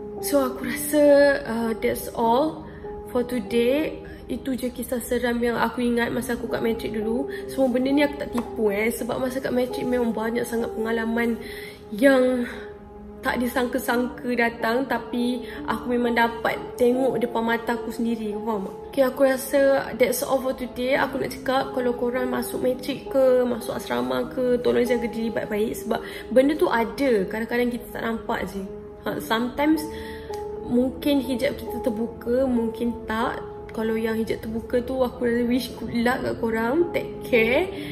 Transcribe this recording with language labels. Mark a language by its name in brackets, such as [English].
[English] So [Malay] aku rasa [English] that's all for today. [Malay] Itu je kisah seram yang aku ingat masa aku kat matric dulu. Semua benda ni aku tak tipu sebab masa kat matric memang banyak sangat pengalaman yang tak disangka-sangka datang. Tapi aku memang dapat tengok depan mata aku sendiri, faham tak? [English] Okay, [Malay] aku rasa [English] that's all for today. [Malay] Aku nak cakap kalau korang masuk matric ke, masuk asrama ke, tolong jaga diri baik-baik sebab benda tu ada. Kadang-kadang kita tak nampak je. [English] Sometimes [Malay] mungkin hijab kita terbuka, mungkin tak. Kalau yang hijab terbuka tu, aku rasa [English] wish good luck [Malay] kat korang. [English] Take care.